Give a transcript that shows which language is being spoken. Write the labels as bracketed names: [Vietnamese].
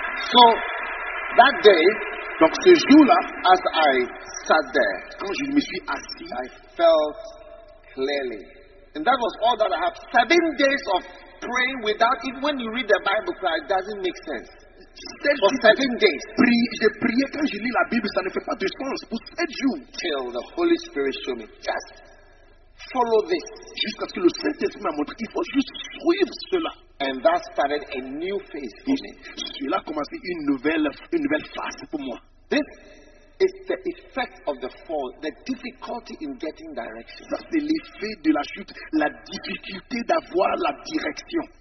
[English] So that day. [French] Donc ce jour-là, [English] as I sat there, [French] quand je me suis assis, [English] I felt clearly, and that was all that I have. 7 days of praying without it. When you read the Bible, it doesn't make sense. For 7 days, [French] j'ai prié quand je lis la Bible, ça ne fait pas de sens. Pour 7 jours, [English] till the Holy Spirit showed me, just follow this. [French] Jusqu'à ce que le Saint-Esprit m'a montré, il faut juste suivre cela. [English] And that started a new phase for me. [French] Cela a commencé une nouvelle phase pour moi. [English] This is the effect of the fall, the difficulty in getting direction. [French] Ça, c'est l'effet de la chute, la difficulté d'avoir la direction.